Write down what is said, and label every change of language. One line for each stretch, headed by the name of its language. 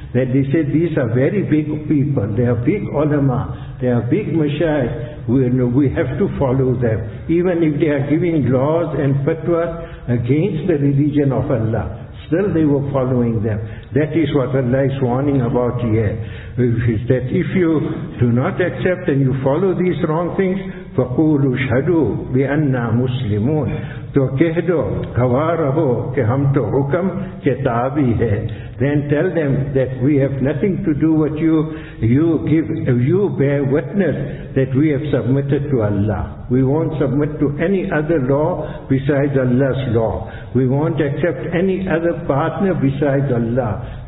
English: That they said, these are very big people, they are big ulama, they are big mashayikh, we have to follow them. Even if they are giving laws and fatwas against the religion of Allah, still they were following them. That is what Allah is warning about here. That if you do not accept and you follow these wrong things,
Arabic: فَقُولُوا شَهَدُوا بِأَنَّا مُسْلِمُونَ,
Urdu: تو کہہ دو گواہ رہو کہ ہم تو حکم کے تابع ہے.
English: Then tell them that we have nothing to do with you. You bear witness that we have submitted to Allah. We won't submit to any other law besides Allah's law. We won't accept any other partner besides Allah.